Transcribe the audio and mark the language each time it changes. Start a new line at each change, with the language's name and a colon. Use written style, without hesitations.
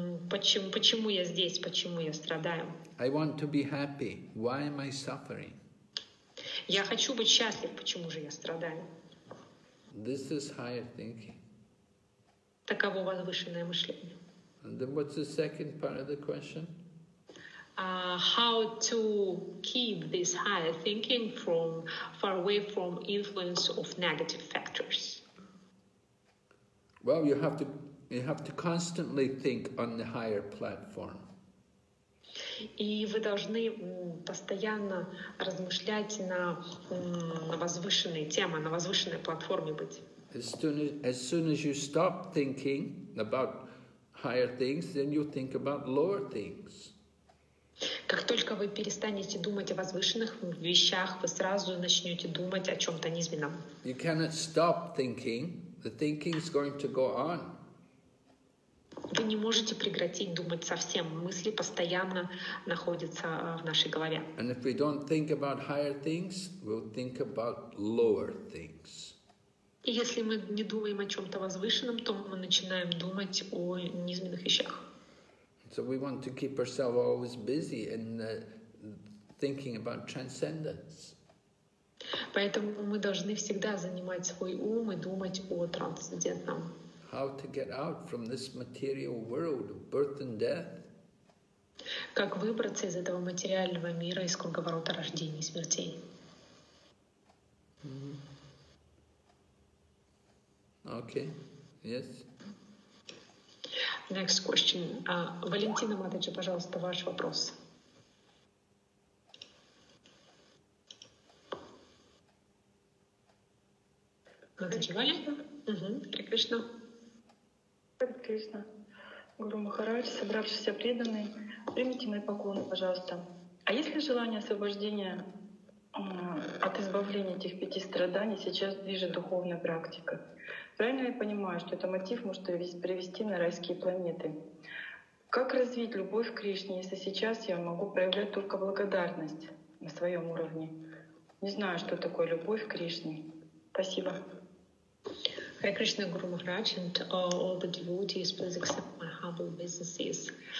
Russian: Почему я здесь, почему я страдаю?
English: I want to be happy. Why am I suffering?
Russian: Я хочу быть счастлив, почему же я страдаю?
English: This is higher thinking.
Russian: Таково возвышенное мышление.
English: And then what's the second part of the question? How to keep this higher thinking from far away from influence of negative factors? Well, you have to constantly think on the higher platform.
Russian: И вы должны постоянно размышлять на возвышенные темы, на возвышенной платформе быть.
English: As soon as you stop thinking about higher things, then you think about lower things.
Russian: Как только вы перестанете думать о возвышенных вещах, вы сразу начнете думать о чем-то низменном.
English: You cannot stop thinking. The thinking is going to go on.
Russian: Вы не можете прекратить думать совсем. Мысли постоянно находятся в нашей голове.
English: And if we don't think about higher things, we'll think about lower things.
Russian: И если мы не думаем о чем-то возвышенном, то мы начинаем думать о низменных вещах.
English: So we want to keep ourselves always busy in thinking about transcendence.
Russian: Поэтому мы должны всегда занимать свой ум и думать о трансцендентном.
English: How to get out from this material world of birth and death?
Russian: Как выбраться из этого материального мира, из круговорота рождений и смертей?
English: Okay. Yes. Next question.
Russian: Валентина Матаджи, пожалуйста, ваш вопрос. Матаджи, Валя? Хари Кришна. Хари Кришна. Гуру Махарадж, собравшийся преданный, примите мои поклоны, пожалуйста. А есть ли желание освобождения от избавления этих пяти страданий сейчас движет духовная практика? Правильно я понимаю, что это мотив может привести на райские планеты? Как развить любовь к Кришне, если сейчас я могу проявлять только благодарность на своем уровне? Не знаю, что такое любовь к Кришне. Спасибо.
English: Hare Krishna Guru Maharaj and all the devotees, please accept my humble businesses.